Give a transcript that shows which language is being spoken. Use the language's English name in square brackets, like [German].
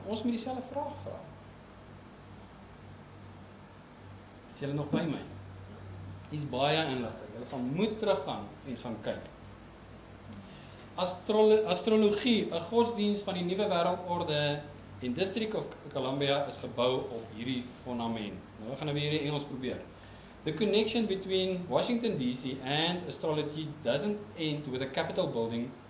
[Afrikaans] Ons moet dieselfde vraag vra. Is julle nog by my? Dis baie inligting. Julle sal moet teruggaan en gaan kyk. Astrologie, 'n godsdienst van die nuwe wêreldorde en District of Columbia is gebou op hierdie fondament. Nou gaan ons hierdie Engels probeer. [English] The connection between Washington DC and astrology doesn't end with the Capitol building.